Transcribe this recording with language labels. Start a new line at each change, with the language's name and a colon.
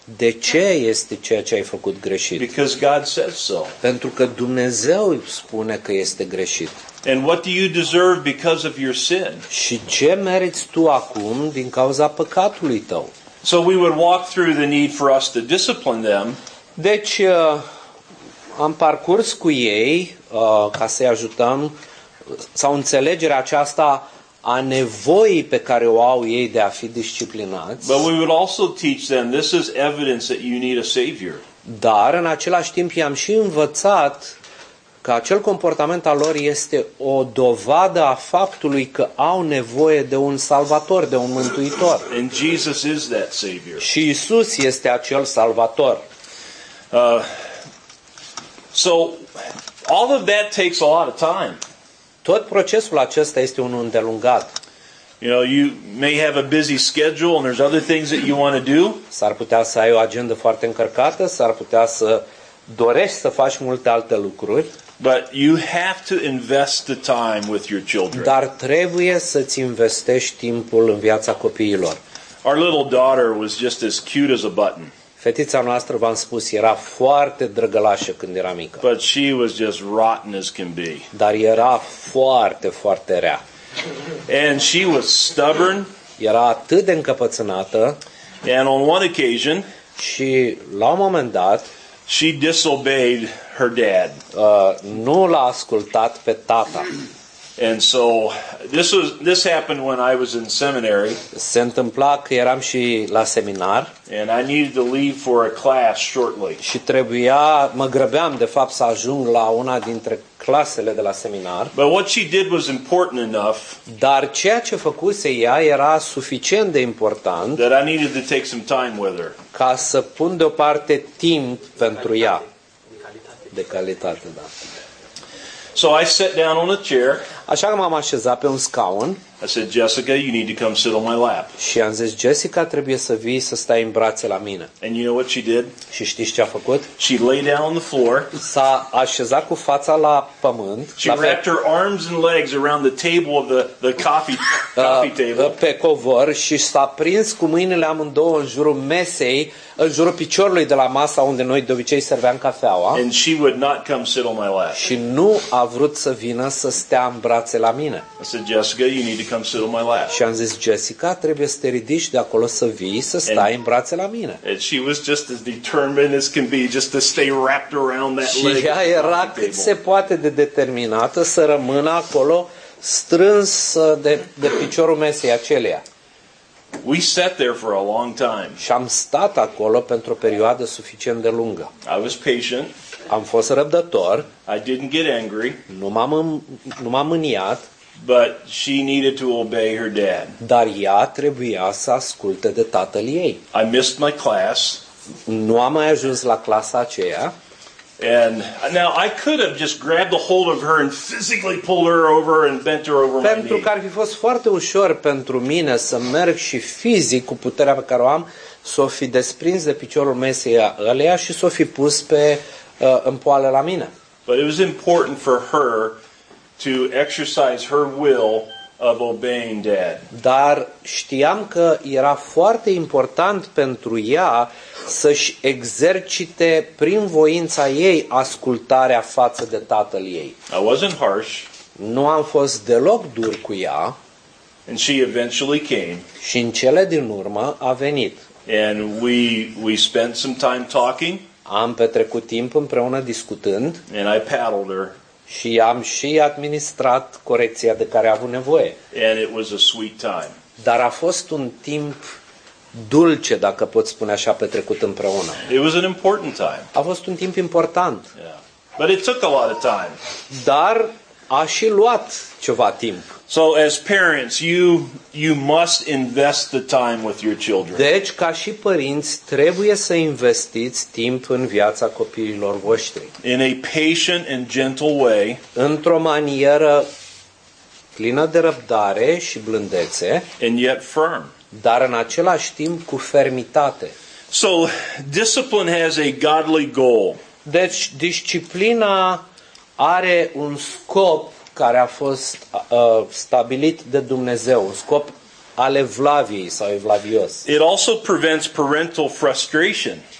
Romanian: De ce este ceea ce ai făcut greșit?
English: Because God says so.
Romanian: Pentru că Dumnezeu spune că este greșit.
English: And what do you deserve because of your sin?
Romanian: Și ce meriți tu acum din cauza păcatului tău?
English: So we would walk through the need for us to discipline them.
Romanian: Deci am parcurs cu ei ca să-i ajutăm sau înțelegerea aceasta a nevoii pe care o au ei de a fi disciplinați.
English: But we would also teach them this is evidence that you need a savior.
Romanian: Dar în același timp i-am și învățat că acel comportament al lor este o dovadă a faptului că au nevoie de un salvator, de un mântuitor.
English: And Jesus is that savior.
Romanian: Și Iisus este acel salvator.
English: So all of that takes a lot of time.
Romanian: Tot procesul acesta este unul îndelungat.
English: You know, you may have a busy schedule and there's other things that you want to do.
Romanian: S-ar putea să ai o agendă foarte încărcată, s-ar putea să dorești să faci multe alte lucruri.
English: But you have to invest the time with your children.
Romanian: Dar trebuie să-ți investești timpul în viața copiilor.
English: Our little daughter was just as cute as a button.
Romanian: Fetița noastră, v-am spus, era foarte drăgălașă când era mică.
English: But she was just rotten as can be.
Romanian: Dar era foarte, foarte rea.
English: And she was stubborn.
Romanian: Era atât de încăpățânată.
English: And on one occasion,
Romanian: și la un moment dat,
English: she disobeyed her dad.
Romanian: Nu l-a ascultat pe tata.
English: And so this happened when I was in seminary.
Romanian: Se întâmpla că eram și la seminar.
English: And I needed to leave for a class shortly.
Romanian: Și trebuia, mă grăbeam de fapt să ajung la una dintre clasele de la seminar.
English: But what she did was important enough.
Romanian: Dar ceea ce făcuse ea era suficient de important.
English: That I needed to take some time with her.
Romanian: Ca să pun deoparte timp pentru ea. De calitate, da.
English: So I sat down on a chair.
Romanian: Așa că m-am așezat pe un scaun.
English: I said, Jessica, you need to come sit on my lap.
Romanian: Și am zis, Jessica, trebuie să vii să stai în brațe la mine.
English: And you know what she did?
Romanian: Și știți ce a făcut?
English: She lay down on the floor.
Romanian: S-a așezat cu fața la pământ.
English: She wrapped her arms and legs around the table of the coffee table.
Romanian: Pe covor și s-a prins cu mâinile amândouă în jurul mesei, în jurul piciorului de la masa unde noi de obicei serveam cafeaua.
English: And she would not come sit on my lap.
Romanian: Și nu a vrut să vină să stea în brațe la mine.
English: I said, Jessica, you need to come sit on my lap.
Romanian: Și am zis, Jessica, trebuie să te ridici de acolo să vii să stai în brațe la mine.
English: And she was just as determined as can be just to stay wrapped around that leg.
Romanian: Și ea era cât se poate de determinată să rămână acolo strânsă de piciorul mesei aceleia.
English: We sat there for a long time.
Romanian: Și am stat acolo pentru o perioadă suficient de lungă.
English: I was patient.
Romanian: Am fost răbdător.
English: I didn't get angry.
Romanian: Nu m-am mâniat.
English: But she needed to obey her dad.
Romanian: Dar ea trebuia să asculte de tatăl ei.
English: I missed my class.
Romanian: Nu am mai ajuns la clasa aceea.
English: And now I could have just grabbed a hold of her and physically pulled her over and bent her over my knee.
Romanian: Pentru că ar fi fost foarte ușor pentru mine să merg și fizic cu puterea pe care o am să o fi desprins de piciorul mesei alea și să o fi pus pe în poală la mine.
English: But it was important for her to exercise her will of obeying dad.
Romanian: Dar știam că era foarte important pentru ea să-și exercite prin voința ei ascultarea față de tatăl ei.
English: I wasn't harsh.
Romanian: Nu am fost deloc dur cu ea.
English: And she eventually came.
Romanian: Și în cele din urmă a venit.
English: And we spent some time talking.
Romanian: Am petrecut timp împreună discutând.
English: And I paddled her.
Romanian: Și am și administrat corecția de care a avut nevoie.
English: And it was a sweet time.
Romanian: Dar a fost un timp dulce, dacă pot spune așa, petrecut împreună.
English: It was an important time.
Romanian: A fost un timp important.
English: Yeah. But it took a lot of time.
Romanian: Dar a și luat ceva timp.
English: So as parents, you must invest the time with your children.
Romanian: Deci ca și părinți trebuie să investiți timp în viața copiilor voștri.
English: In a patient and gentle way.
Romanian: Într-o manieră plină de răbdare și blândețe.
English: And yet firm.
Romanian: Dar în același timp cu fermitate.
English: So discipline has a godly goal.
Romanian: Deci disciplina are un scop care a fost stabilit de Dumnezeu, un scop al evlaviei sau evlavios.
English: It also prevents parental frustration.